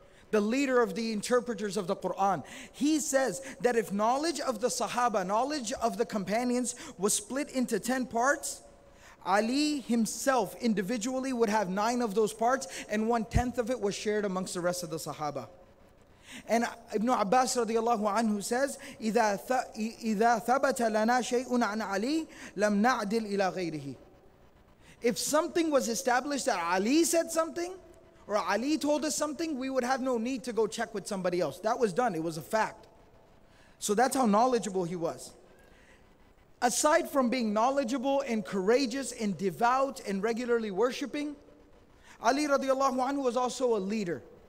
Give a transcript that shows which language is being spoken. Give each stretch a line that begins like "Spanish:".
English: The leader of the interpreters of the Quran. He says that if knowledge of the Sahaba, knowledge of the companions was split into 10 parts, Ali himself individually would have 9 of those parts and 1/10 of it was shared amongst the rest of the Sahaba. And Ibn Abbas radiallahu anhu says,
Arabic: إِذَا ثَبَتَ لَنَا شَيْءٌ عَنْ عَلِي لَمْ نَعْدِلْ إِلَى غَيْرِهِ.
English: If something was established that Ali said something, or Ali told us something, we would have no need to go check with somebody else. That was done, it was a fact. So that's how knowledgeable he was. Aside from being knowledgeable and courageous and devout and regularly worshiping, Ali radiallahu anhu was also a leader.